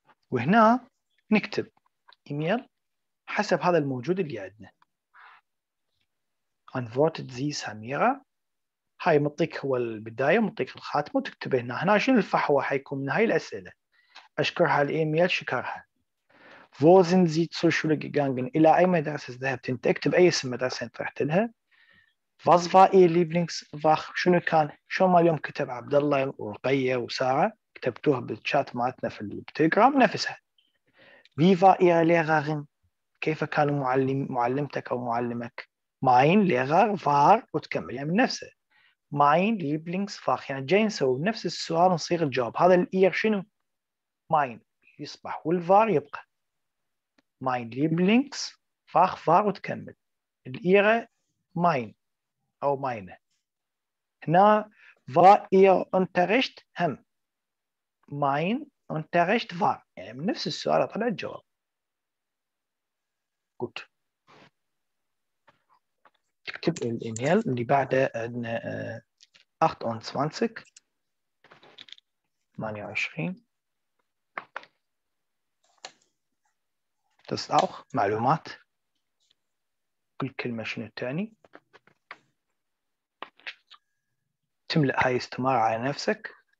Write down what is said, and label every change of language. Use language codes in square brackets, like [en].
[ar] وهنا نكتب إيميل حسب هذا الموجود اللي عندنا. [de] Antwortet sie Samira. [ar] هاي مطيك هو البداية مطيك الخاتمة وتكتب هنا. هنا شنو الفحوى حيكون من هاي الأسئلة. أشكرها الإيميل شكرها. [de] Wo sind Sie zur Schule gegangen? [ar] إلى أي مدرسة ذهبت أنت؟ اكتب أي اسم مدرسة أنت رحت لها. [de] Was war Ihr Lieblingsfach? [ar] شنو كان؟ شو ما اليوم كتب عبد الله ورقية وسارة كتبتوها بالشات مالتنا في التليجرام نفسها. [de] Wie war Ihre Lehrerin? [ar] كيف كان معلم معلمتك أو معلمك؟ [de] Mein Lehrer war [ar] وتكمل يعني من نفسه. [de] Mein Lieblingsfach [ar] يعني جاي نسوي نفس السؤال نصيغ الجواب. هذا الإير شنو؟ Mein يصبح والفار يبقى. [de] Mein Lieblingsfach war [ar] وتكمل. الإير mein أو meine. [de] هنا war Ihr Unterricht هم. Mein Unterricht war [ar] يعني من نفس السؤال طلع الجواب. [de] Gut. [ar] تكتب الإيميل اللي بعده 28 [de] das auch [ar] معلومات كل كلمة شنو تعني تملأ هاي استمارة على نفسك